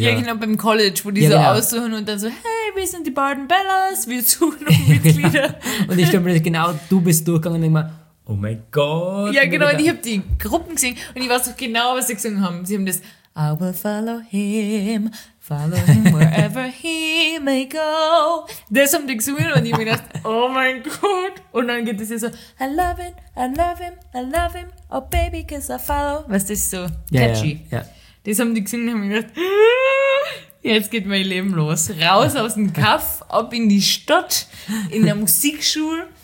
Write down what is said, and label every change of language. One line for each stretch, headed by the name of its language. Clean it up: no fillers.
German: ja, genau, beim College, wo die ja, so genau aussuchen und dann so, hey, wir sind die Barden Bellas, wir suchen noch Mitglieder. Genau. Und ich stelle mir das genau, du bist durchgegangen und denke mir, oh mein Gott. Ja, genau, und ich habe die Gruppen gesehen und ich weiß doch genau, was sie gesungen haben. Sie haben das,
English: I will follow him Follow him wherever he may go.
German: Das haben die gesungen und ich mir gedacht, oh mein Gott. Und dann geht es ja so,
English: I love him, I love him, I love him, oh baby, cause I follow.
German: Was das so catchy. Ja, ja, ja. Das haben die gesungen und ich mir gedacht, jetzt geht mein Leben los. Raus aus dem Kaff, ab in die Stadt, in der Musikschule.